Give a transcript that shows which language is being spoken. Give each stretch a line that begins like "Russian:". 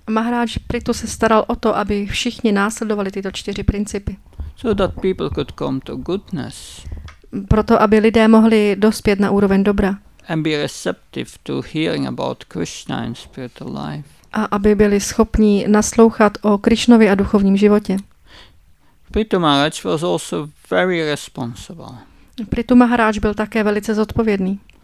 Czech: Maharaj Prithvi se staral o to, aby všichni následovali tyto čtyři principy.
English: So that people could come to goodness.
Czech: Proto, aby lidé mohli dospět na úroveň dobra.
English: And be receptive to hearing about Krishna and spiritual life.
Czech: A aby byli schopni naslouchat o Krišnovi a duchovním životě.
English: Prithvi Maharaj was also very responsible.
Czech: Prithvi Maharaj byl také velice zodpovědný.